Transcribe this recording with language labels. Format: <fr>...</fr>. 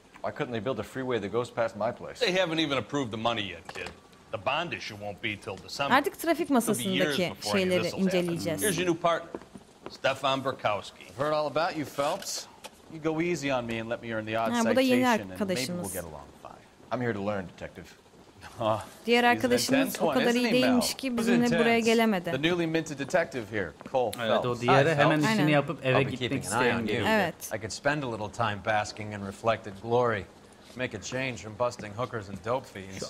<en>Why couldn't they build a freeway that goes past my place? They haven't even approved the money yet, kid. The bond issue won't be till December.</en> <tr>Artık trafik masasındaki şeyleri inceleyeceğiz.</tr> <en>Here's your new partner, Stefan Berkowski. I've heard all about you, Phelps. You go easy on me and let me earn the odd citation.</en> <tr>Bu da yeni arkadaşımız.</tr> <en>Maybe we'll get along fine. I'm here to learn, detective.</en> <tr>Diğer arkadaşımız o kadar iyi değilmiş ki bizimle buraya gelemedi.</tr> <en>The newly minted detective here, Cole Phelps.</en> <tr>Evet, o diğeri hemen işini yapıp eve gitmek isteyen gibi. Evet.</tr> <en>I could spend a little time basking in reflected glory. Make a change from busting hookers and dope fiends.</en>